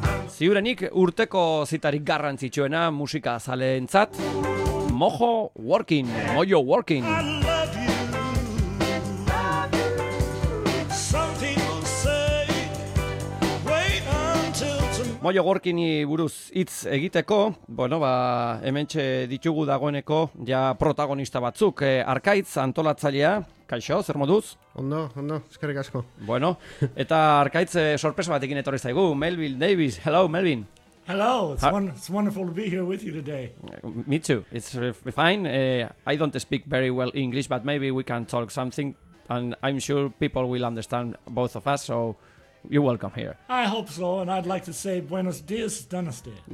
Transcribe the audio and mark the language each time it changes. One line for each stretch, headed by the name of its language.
Basque: Ziurenik urteko zitarik garrantzitsuena musika zaleentzat. Mojo Working, Mojo Working. Mojo Working-i buruz hitz egiteko, bueno, ba, hementxe ditugu dagoeneko ja protagonista batzuk, Arkaitz antolatzailea, kaixo, zer moduz? Ondo, ondo, eskerrik asko. Bueno, eta Arkaitz sorpresa batekin etorri zaigu, Melville Davis.
English: Hello, Melvin. Hello, it's wonderful to be here with you today. Me too, it's fine. I don't speak very well English, but maybe we can talk something, and I'm sure people will understand both of us, so... You're welcome here. I hope so, and I'd like to say
Spanish: buenos dias,
English: Donostia.